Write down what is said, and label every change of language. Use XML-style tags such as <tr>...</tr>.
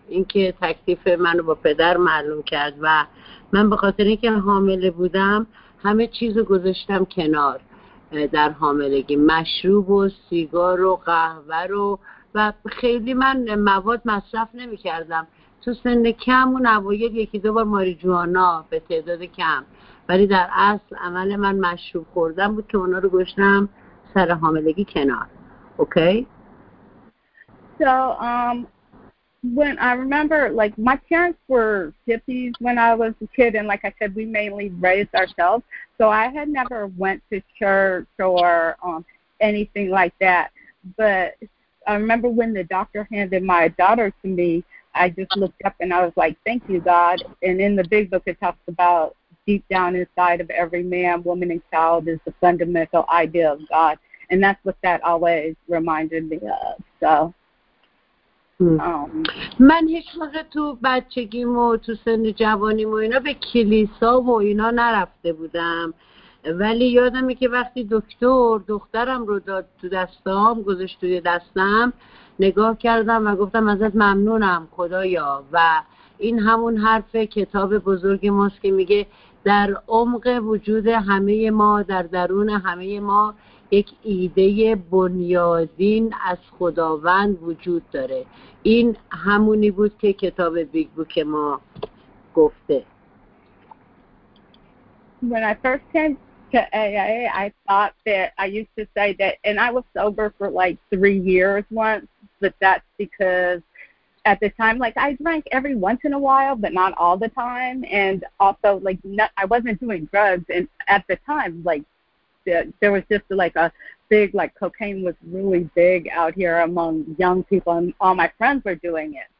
<fa>اینکه تکلیف منو با پدر معلوم کرد و من به خاطر اینکه حامله بودم همه چیزو گذاشتم کنار در حاملگی، مشروب و سیگار و قهوه رو، و خیلی من مواد مصرف نمی کردم تو سن کم، اون اوایل یکی دو بار ماریجوانا به تعداد کم، ولی در اصل عمل من مشروب خوردم بود که اونا رو گذاشتم سر حاملگی کنار.</fa> <en>Okay? So when I remember, like, my parents were hippies when I was a kid, and like I said, we mainly raised ourselves. So I had never went to church or anything like that. But I remember when the doctor handed my daughter to me, I just looked up and I was like, thank you, God. And in the big book, it talks about deep down inside of every man, woman, and child is the fundamental idea of God. And that's what that always reminded me of. So...</en> <fa>من هیچ موقع تو بچگیم و تو سن جوانیم و اینا به کلیسا و اینا نرفته بودم، ولی یادمه که وقتی دکتر دخترم رو داد تو دستام، گذاشت توی دستم، نگاه کردم و گفتم ازت ممنونم خدایا. و این همون حرف کتاب بزرگ ماست که میگه در عمق وجود همه ما، در درون همه ما، یک ایده بنیادین از خداوند وجود داره. این همونی بود که کتاب بیگ بوک ما گفته.</fa> <en>When I first came to AA, I thought that I used to say that, and I was sober for like 3 years once, but that's because at the time, like, I drank every once in a while, but not all the time, and also, like, not, I wasn't doing drugs, and at the time, like, there was just like a big, like, cocaine was really big out here among young people, and all my friends were doing it.</en>